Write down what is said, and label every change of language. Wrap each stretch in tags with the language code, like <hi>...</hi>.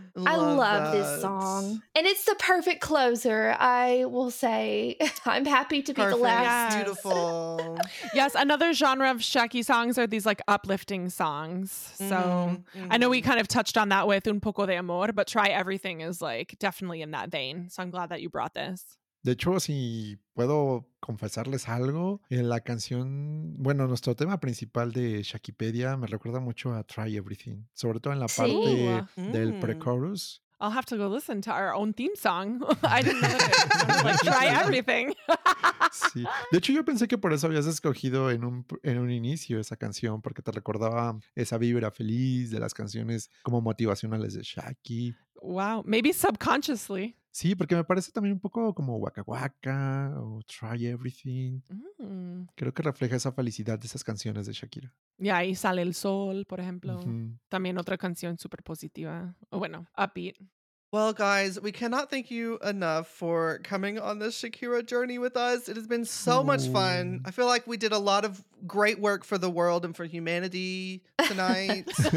<en>I love this song. And it's the perfect closer, I will say. I'm happy to be perfect. The last. Yes. Beautiful. Yes, another genre of Shaki songs are these uplifting songs. Mm-hmm. So I know we kind of touched on that with Un Poco de Amor, but Try Everything is definitely in that vein. So I'm glad that you brought this.</en> <es>De hecho, si puedo confesarles algo, en la canción, nuestro tema principal de Shakipedia me recuerda mucho a Try Everything, sobre todo en la parte del pre-chorus.</es> <en>I'll have to go listen to our own theme song. I didn't know that. Try Everything.</en> <es>Sí. De hecho, yo pensé que por eso habías escogido en un inicio esa canción, porque te recordaba esa vibra feliz de las canciones como motivacionales de Shaki.</es> <en>Wow, maybe subconsciously.</en> <es>Sí, porque me parece también un poco como Waka Waka o Try Everything. Mm. Creo que refleja esa felicidad de esas canciones de Shakira. Y ahí sale el sol, por ejemplo. Mm-hmm. También otra canción súper positiva. O bueno, upbeat.</es> <en>Well, guys, we cannot thank you enough for coming on this Shakira journey with us. It has been so much fun. I feel like we did a lot of great work for the world and for humanity tonight.</en>